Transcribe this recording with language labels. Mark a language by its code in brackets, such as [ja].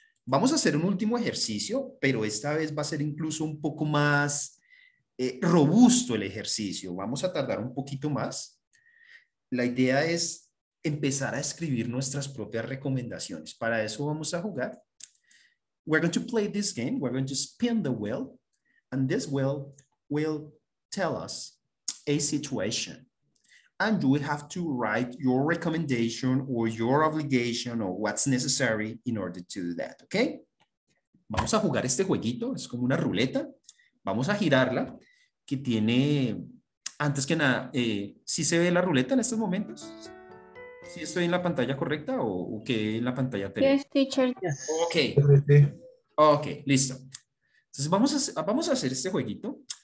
[es] Vamos a hacer un último ejercicio, pero esta vez va a ser incluso un poco más robusto el ejercicio, vamos a tardar un poquito más. La idea es empezar a escribir nuestras propias recomendaciones, para eso vamos a jugar. [en] We're going to play this game. We're going to spin the wheel. And this wheel will tell us a situation. And you will have to write your recommendation or your obligation or what's necessary in order to do that, okay? [es] Vamos a jugar este jueguito. Es como una ruleta. Vamos a girarla. Que tiene, antes que nada, ¿sí se ve la ruleta en estos momentos? ¿Sí estoy en la pantalla correcta o qué en la pantalla? [en] Yes, teacher. [es] Okay. Okay, listo. Entonces vamos a hacer este jueguito.